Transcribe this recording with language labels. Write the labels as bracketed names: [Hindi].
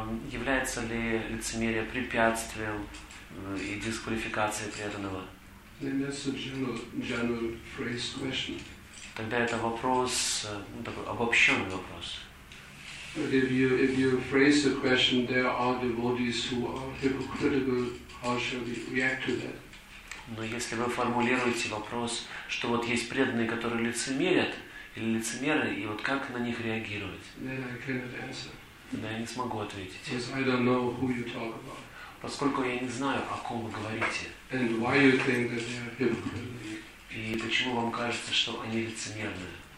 [Russian] Является ли лицемерие препятствием и дисквалификацией преданного? [English] Then that's a general phrase question. [Russian] Тогда это вопрос, такой обобщенный вопрос. [English] But if you phrase the question, there are devotees who are hypocritical, how shall we react to that? [Russian] Но если вы формулируете вопрос, что вот есть преданные, которые лицемерят, или лицемеры, и вот как на них реагировать? [English] Then I cannot answer. [Russian] Да, я не смогу ответить. [English] Because I don't know who you talk about. [Russian] Поскольку я не знаю, о ком вы говорите. [English] And why you think that they are hypocritical? [Russian] И почему вам кажется, что они лицемерные?